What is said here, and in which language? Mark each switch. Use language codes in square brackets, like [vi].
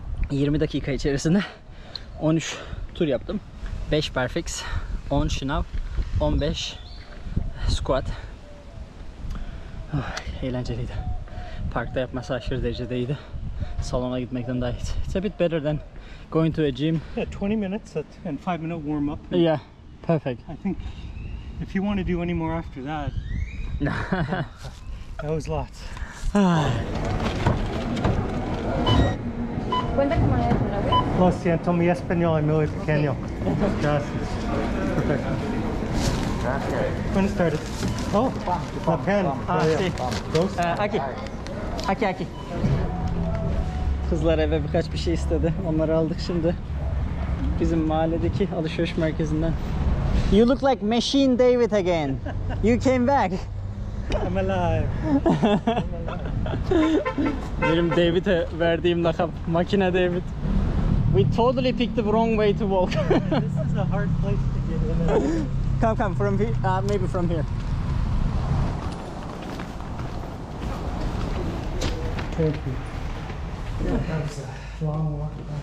[tr] 20 dakika içerisinde 13 tur yaptım. 5 perfix, 10 şınav, 15 squat. Oh, eğlenceliydi. Parkta yapması aşırı derecede iyiydi. Salona gitmekten daha iyi. [en] It's a bit better than going to a gym. Yeah, 20 minutes and 5 minute warm up. Yeah, perfect. I think If you want to do any more after that. No. That was lots. [es] Cuenta como la otra vez. Lo siento, mi español es muy pequeño. [en] Okay. [es] Gracias. Perfecto. [en] When it started. Oh, la pen. [es] Ah, sí. Dos. Aquí. Aquí, aquí. [tr] Kızlar eve birkaç bir şey istedi. Onları aldık şimdi. Bizim mahalledeki alışveriş merkezinden. [en] You look like Machine David again. You came back. I'm alive. [tr] Benim David'e verdiğim lakap. Makine David. [en] We totally picked the wrong way to walk. This is a hard place to get in. Come, come. From here. Maybe from here. Thank you. Yeah, that was a long walk.